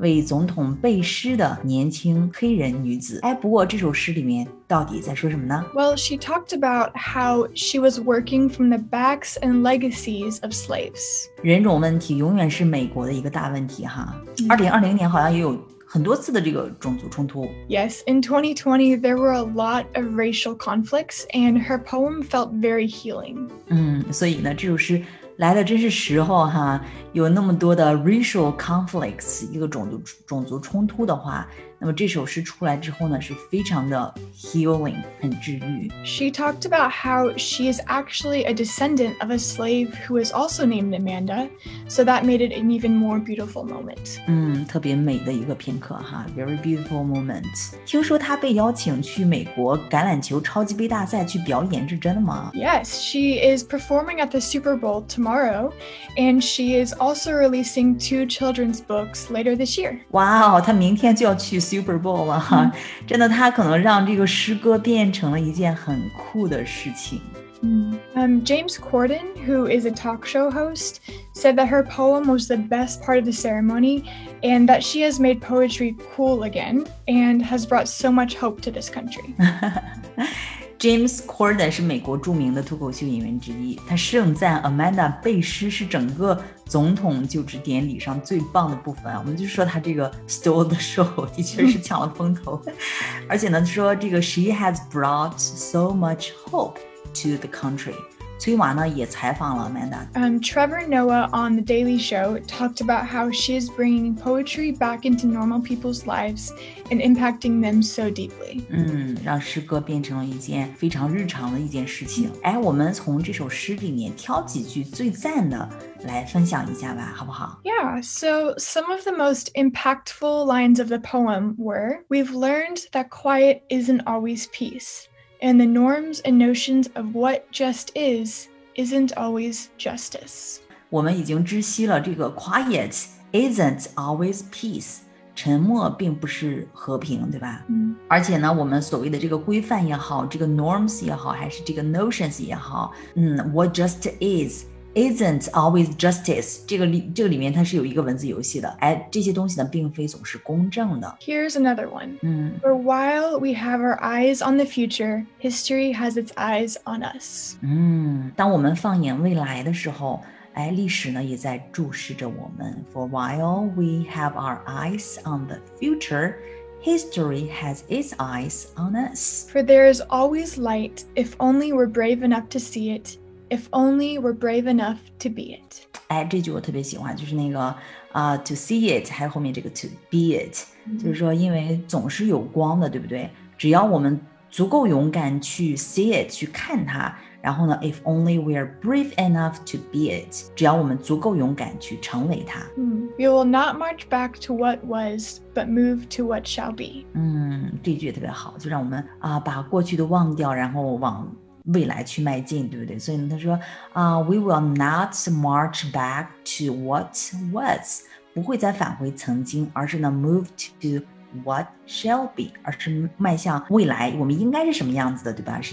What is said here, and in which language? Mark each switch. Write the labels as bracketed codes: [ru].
[zh] 为总统背诗的年轻黑人女子。哎，不过这首诗诗里面到底在说什么呢？ [en] Well, she talked about how she was working from the backs and legacies of slaves. [zh] 人种问题永远是美国的一个大问题哈。2020年好像也有很多次的这个种族冲突。 [en] Yes, in 2020, there were a lot of racial conflicts, and her poem felt very healing. [zh] 所以呢，这首诗来的真是时候哈，有那么多的 [en] racial conflicts, [zh] 一个种族冲突的话，那么这首诗出来之后呢，是非常的 healing, 很治愈。 [en] She talked about how she is actually a descendant of a slave who is also named Amanda, so that made it an even more beautiful moment. [zh] 特别美的一个片刻哈， [en] very beautiful moment. [zh] 听说她被邀请去美国橄榄球超级杯大赛去表演，是真的吗？ [en] Yes, she is performing at the Super Bowl tomorrow, and she is also releasing two children's books later this year. [zh] Wow, 她明天就要去Super Bowl 了哈，真的，他可能让这个诗歌变成了一件很酷的事情。 [en] James Corden, who is a talk show host, said that her poem was the best part of the ceremony, and that she has made poetry cool again and has brought so much hope to this country. [zh] James Corden 是美国著名的脱口秀演员之一，他盛赞 Amanda 背诗是整个总统就职典礼上最棒的部分，我们就说他这个 [en] stole the show [zh] 的确是抢了风头。而且呢，说这个 [en] she has brought so much hope to the country。 [zh] 崔娃呢也采访了 Amanda。 [en] Trevor Noah on The Daily Show talked about how she is bringing poetry back into normal people's lives and impacting them so deeply. [zh] 让诗歌变成了一件非常日常的一件事情。哎，我们从这首诗里面挑几句最赞的来分享一下吧，好不好？ [en] Yeah, so some of the most impactful lines of the poem were, "We've learned that quiet isn't always peace." And the norms and notions of what just is, isn't always justice. [zh] 我们已经知悉了这个 [en] quiet isn't always peace. [zh] 沉默并不是和平，对吧？而且呢，我们所谓的这个规范也好，这个 norms 也好，还是这个 notions 也好， [en] what just is, isn't always justice. [zh] 这个里面它是有一个文字游戏的。哎，这些东西呢，并非总是公正的。 [en] Here's another one. For while we have our eyes on the future, history has its eyes on us. [zh] 当我们放眼未来的时候，哎，历史呢也在注视着我们。 [en] For while we have our eyes on the future, history has its eyes on us. For there is always light, if only we're brave enough to see it. If only we're brave enough to be it. [zh] 哎，这句我特别喜欢，就是那个 [en] to see it, [zh] 还有后面这个 [en] to be it. [zh] 就是说因为总是有光的，对不对？只要我们足够勇敢去 [en] see it, [zh] 去看它，然后呢 [en] if only we're brave enough to be it, [zh] 只要我们足够勇敢去成为它。 [en] We will not march back to what was, but move to what shall be. [zh] 这句也特别好，就让我们把过去都忘掉，然后往未来去迈进，对不对？所以他说 [en] we will not march back to what was, [zh] 不会再返回曾经，而是呢 [en] move to what shall be, [zh] 而是迈向未来，我们应该是什么样子的，对吧？